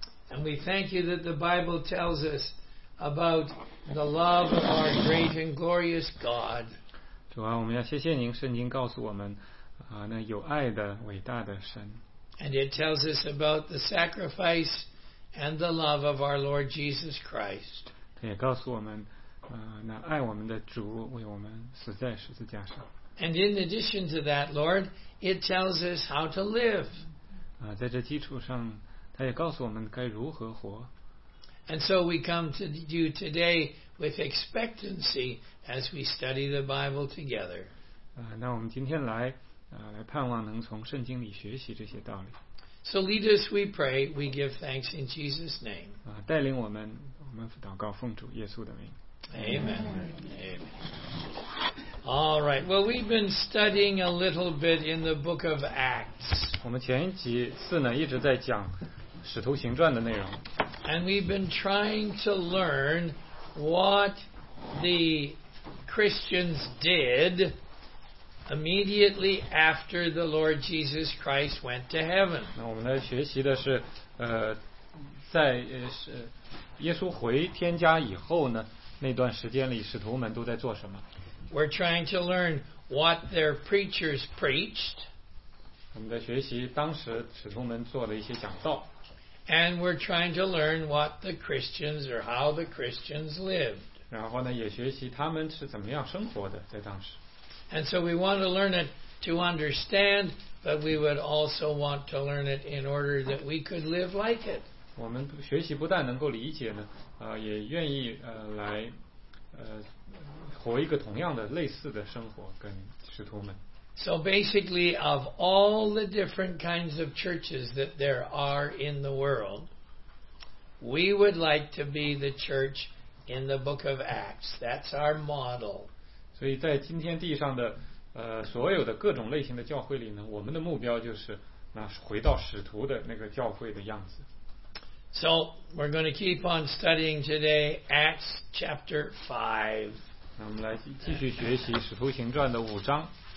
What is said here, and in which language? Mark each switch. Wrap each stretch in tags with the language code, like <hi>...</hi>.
<en>And we thank you that the Bible tells us about the love of our great and glorious God.</en> <zh>主啊，我们要谢谢您，圣经告诉我们，那有爱的伟大的神。</zh> <en>And it tells us about the sacrifice and the love of our Lord Jesus Christ.</en> <zh>他也告诉我们，那爱我们的主为我们死在十字架上。</zh> <en>And in addition to that, Lord, it tells us how to live.</en> <zh>在这基础上。他也告诉我们该如何活。</zh> <en>And so we come to you today with expectancy as we study the Bible together.</en> <zh>那我们今天来，来盼望能从圣经里学习这些道理。</zh> <en>So lead us, we pray, we give thanks in Jesus' name.</en> <zh>带领我们，我们祷告奉主耶稣的名。</zh> <en>Amen. Amen. All right. Well, we've been studying a little bit in the book of Acts.</en> <zh>我们前几次呢，一直在讲。使徒行传的内容。</zh> <en>And we've been trying to learn what the Christians did immediately after the Lord Jesus Christ went to heaven.</en> <zh>那我们来学习的是，在耶稣回天家以后呢，那段时间里使徒们都在做什么。</zh> <en>We're trying to learn what their preachers preached.</en> <zh>我们在学习当时使徒们做的一些讲道。</zh> <en>And we're trying to learn what the Christians or how the Christians lived.</en> <zh>然后呢，也学习他们是怎么样生活的，在当时。</zh> <en>And so we want to learn it to understand, but we would also want to learn it in order that we could live like it.</en> <zh>我们学习不但能够理解呢，也愿意来活一个同样的类似的生活，跟使徒们。</zh> <en>So basically, of all the different kinds of churches that there are in the world, we would like to be the church in the book of Acts. That's our model.</en> <zh>所以在今天地上的所有的各种类型的教会里呢，我们的目标就是那回到使徒的那个教会的样子。</zh> <en>So we're going to keep on studying today Acts chapter 5.</en> <zh>那我们来继续学习使徒行传的五章。</zh>